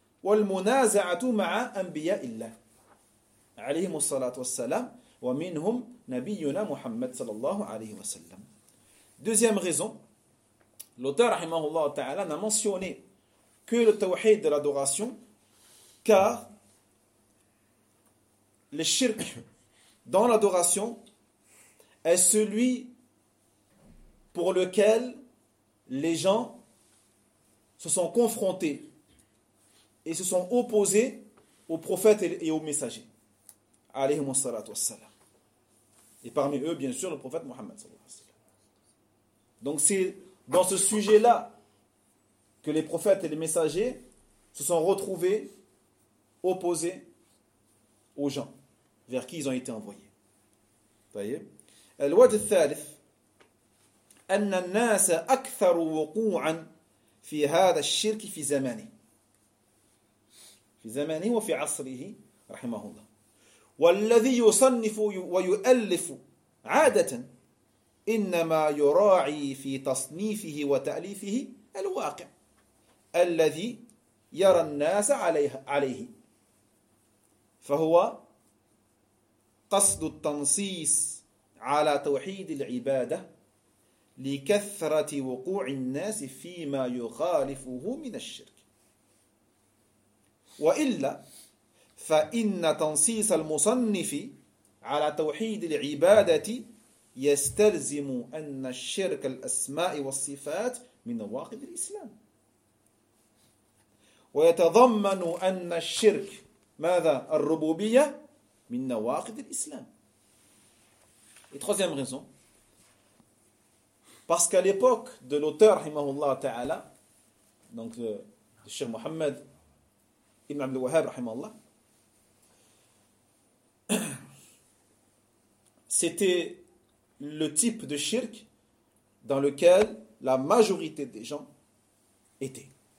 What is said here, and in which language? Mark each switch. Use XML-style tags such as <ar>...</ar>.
<ar>والمنازعة مع أنبياء الله عليهم الصلاة والسلام ومنهم نبينا محمد صلى الله عليه وسلم.</ar> <fr>Deuxième raison, l'auteur</fr> <ar>rahimahullah ta'ala</ar> <fr>n'a mentionné que le tawhid de l'adoration, car le shirk dans l'adoration est celui pour lequel les gens se sont confrontés et se sont opposés aux prophètes et aux messagers.</fr> <ar>Alayhi wassalat wa salam.</ar> <fr>Et parmi eux, bien sûr, le prophète Mohammed. Donc c'est dans ce sujet-là que les prophètes et les messagers se sont retrouvés opposés aux gens vers qui ils ont été envoyés. Voyez.</fr> <ar>Al-Wajh al-Thalith, أن الناس أكثر وقوعا في هذا الشرك في زمانه وفي عصره رحمه الله والذي يصنف ويؤلف عادة إنما يراعي في تصنيفه وتأليفه الواقع الذي يرى الناس عليه فهو قصد التنصيص على توحيد العبادة لكثرة وقوع الناس فيما يخالفه من الشرك وإلا فإن تنصيص المصنف على توحيد العبادة يستلزم أن الشرك الأسماء والصفات من نواقض الإسلام ويتضمن أن الشرك ماذا الربوبية من نواقض الإسلام.</ar> <fr>Et troisième raison, parce qu'à l'époque de l'auteur,</fr> <ar>rahimahullah ta'ala,</ar> <fr>donc le Cheikh Mohammed Ibn Abd al-Wahhab, rahimahullah, c'était le type de shirk dans lequel la majorité des gens étaient.</fr>